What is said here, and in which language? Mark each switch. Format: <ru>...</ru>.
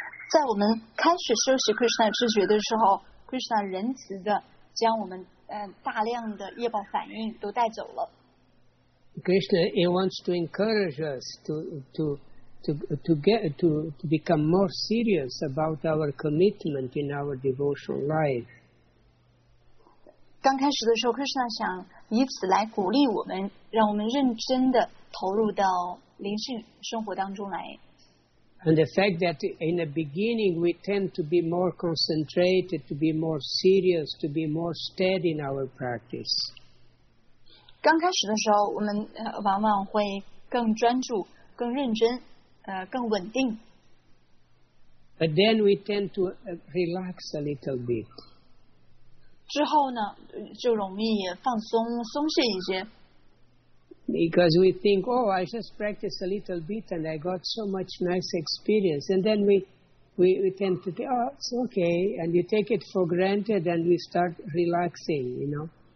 <zh>在我们开始修习 Krishna 知觉的时候， Krishna 仁慈的将我们大量的业报反应都带走了。</zh> <en>Krishna he wants to encourage us to become more serious about our commitment in our devotional life.</en> <zh>刚开始的时候， Krishna 想以此来鼓励我们，让我们认真的投入到灵性生活当中来。</zh> <en>And the fact that in the beginning we tend to be more concentrated, to be more serious, to be more steady in our practice.</en> <zh>刚开始的时候，我们往往会更专注、更认真、更稳定。</zh> <en>But then we tend to relax a little bit.</en> <zh>之后呢，就容易放松、松懈一些。</zh> <en>Because we think, oh, I just practiced a little bit and I got so much nice experience. And then we tend to think, oh, it's okay. And you take it for granted and we start relaxing, you know.</en>